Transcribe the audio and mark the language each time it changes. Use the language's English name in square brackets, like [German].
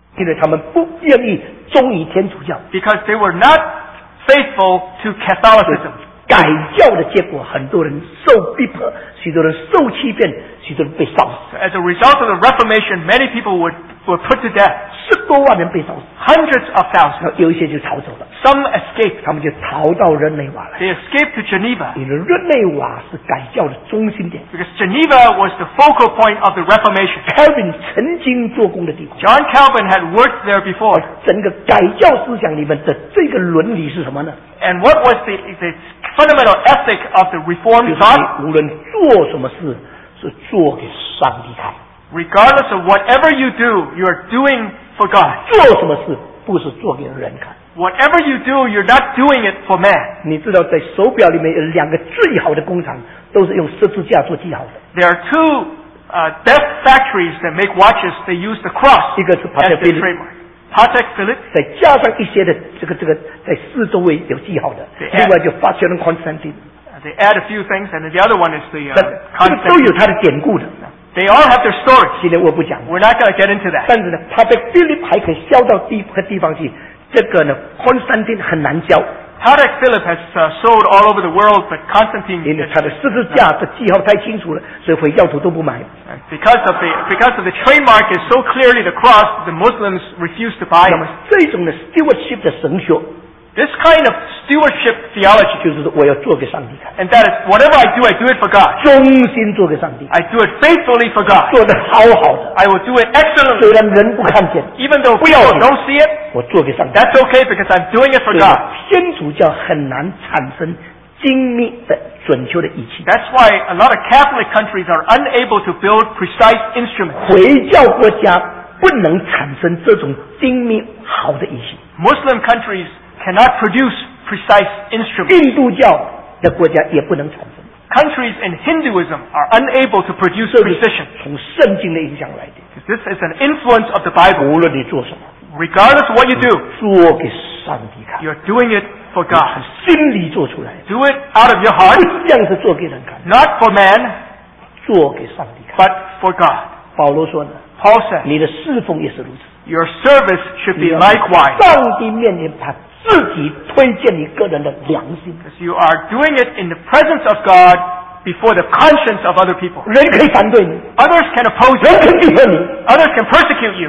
[English] Because they were not faithful to Catholicism. [Chinese] 改教的结果,很多人受逼迫,许多人受欺骗, [English] As a result of the Reformation, many people were put to death. [Chinese] 十多万人被烧死, [English] hundreds of thousands. [Chinese] 有一些就逃走了, [English] Some escaped. [Chinese] 他们就逃到日内瓦了, [English] they escaped to Geneva. [Chinese] 因为日内瓦是改教的中心点, [English] because Geneva was the focal point of the Reformation. [Chinese] Calvin 曾经做工的地方, [English] John Calvin had worked there before. [Chinese] 整个改教思想里面的这个伦理是什么呢? [English] And what was the fundamental ethic of the Reformed thought? [Chinese] 无论做什么事, 是做给上帝看, [English] regardless of whatever you do, you are doing for God. [Chinese] 做什么事, 不是做给人看, [English] whatever you do, you're not doing it for man. [Chinese] 你知道在手表里面有两个最好的工厂, 都是用十字架做记号的, [English] there are two death factories that make watches. They use the cross as the trademark. Patek Philippe, [Chinese] 再加上一些的这个这个在四周围有记号的, [English] they add a few things, and the other one is the Constantine. [Chinese] 都有它的典故的, [English] they all have their story. [Chinese] 今天我不讲, [English] we're not going to get into that. [Chinese] 但是呢, Patek Philippe 还可以销到地方去, 这个呢, Constantine 很难销, [English] Patek Philippe has sold all over the world, but Constantine, [Chinese] 因为它的十字架的记号太清楚了, 所以会要求都不买, [English] because of the trademark is so clearly the cross, the Muslims refuse to buy it. [Chinese] 那么这种的 stewardship 的神学, [English] this kind of stewardship theology, [Chinese] 就是我要做给上帝看, [English] and that is whatever I do it for God. [Chinese] 忠心做给上帝, [English] I do it faithfully for God. [Chinese] 做得好好的, [English] I will do it excellently. [Chinese] 虽然人不看见, [English] even though people don't see it, [Chinese] 我做给上帝, [English] that's okay because I'm doing it for God. [Chinese] 天主教很难产生精密的准确的仪器, [English] that's why a lot of Catholic countries are unable to build precise instruments. [Chinese] 回教国家不能产生这种精密好的仪器, [English] Muslim countries cannot produce precise instruments. Countries in Hinduism are unable to produce precision. This is an influence of the Bible. [Chinese] 无论你做什么, [English] regardless of what you do, [Chinese] 做给上帝看, [English] you're doing it for God. [Chinese] 你心里做出来, [English] do it out of your heart. [Chinese] 不像是做给人看, [English] not for man, [Chinese] 做给上帝看, [English] but for God. [Chinese] 保罗说呢, [English] Paul said, [Chinese] 你的侍奉也是如此, [English] your service should be likewise. [Chinese] 上帝面前他 自己推荐你个人的良心, [English] because you are doing it in the presence of God before the conscience of other people. [Chinese] 人可以反对你, [English] others can oppose you. [Chinese] 人可以逼迫你, [English] others can persecute you.